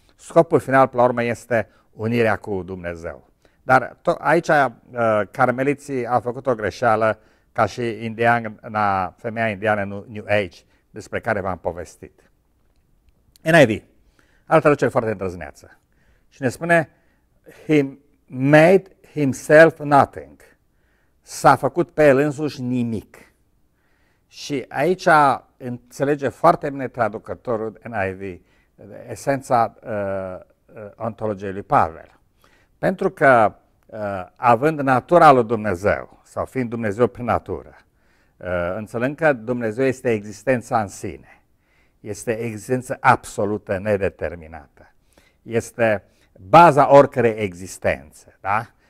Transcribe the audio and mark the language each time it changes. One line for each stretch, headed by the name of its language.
Romanian: Scopul final, până la urmă, este unirea cu Dumnezeu. Dar aici carmeliții au făcut o greșeală, ca și indiana, femeia indiană New Age, despre care v-am povestit. NIV, altă traducere foarte îndrăzneață. Și ne spune,
English: he made himself nothing.
Romanian: S-a făcut pe el însuși nimic. Și aici înțelege foarte bine traducătorul NIV esența ontologiei lui Pavel. Pentru că având natura lui Dumnezeu, sau fiind Dumnezeu prin natură, înțelând că Dumnezeu este existența în sine, este existență absolută, nedeterminată, este baza oricărei existențe, da?